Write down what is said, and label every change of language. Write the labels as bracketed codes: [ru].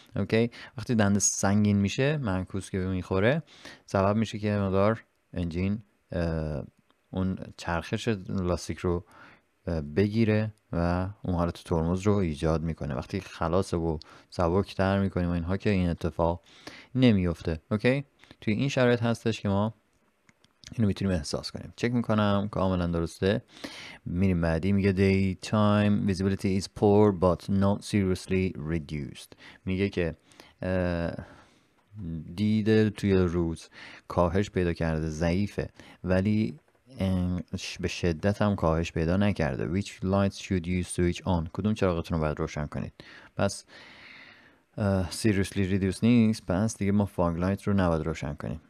[fa] اوکی، وقتی دنده سنگین میشه معکوس که میخوره، سبب میشه که مقدار انجین اون چرخش لاستیک رو بگیره و اون حالت ترمز رو ایجاد میکنه. وقتی خلاصه و سبکتر میکنیم و اینها، که این اتفاق نمیفته. اوکی، توی این شرایط هستش که ما اینو میتونیم احساس کنیم. چک میکنم کاملا درسته. میریم بعدی. میگه [en] daytime visibility is poor but not seriously reduced. [fa] میگه که دیده توی روز کاهش پیدا کرده، ضعیفه، ولی به شدت هم کاهش پیدا نکرده. [en] Which lights should you switch on؟ [fa] کدوم چراغتون رو باید روشن کنید؟ پس [en] seriously reduced [fa] نیست، پس دیگه ما fog light رو نباید روشن کنیم.